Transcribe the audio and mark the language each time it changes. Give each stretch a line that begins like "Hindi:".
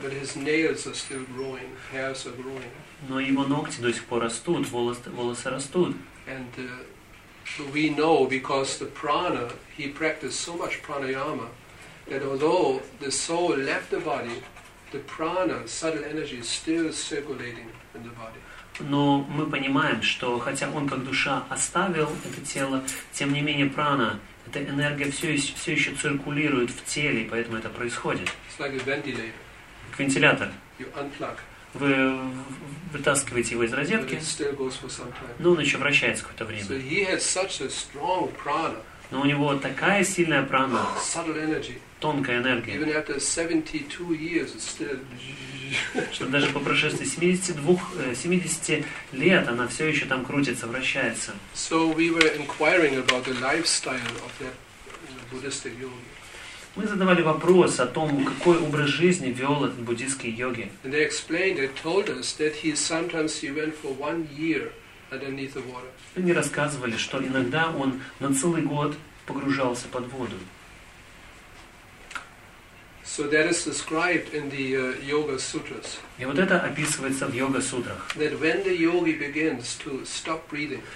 Russian: Но его ногти до сих пор растут, волосы растут.
English: And we know because the prana, he practiced so much pranayama, that although the soul left the body, the prana, subtle energy, is still circulating in the body.
Russian: Но мы понимаем, что хотя он как душа оставил это тело, тем не менее прана, эта энергия все еще циркулирует в теле, поэтому это происходит. Как вентилятор.
English: You unplug.
Russian: Вы вытаскиваете его из розетки, но он еще вращается какое-то время.
English: So he has such a strong prana.
Russian: Но у него такая сильная прана,
English: subtle energy.
Russian: Тонкая энергия.
English: Even after 72 years, it's still...
Russian: Что даже по прошествии 70 лет она все еще там крутится, вращается.
English: So we were inquiring about the lifestyle of that Buddhist yogi.
Russian: Мы задавали вопрос о том, какой образ жизни вел этот буддийский йоги.
English: And they explained, they told us that he sometimes he went for one year underneath the water.
Russian: Они рассказывали, что иногда он на целый год погружался под воду.
English: So that is described in the yoga sutras.
Russian: И вот это описывается в йога сутрах.
English: That when the yogi begins to stop breathing.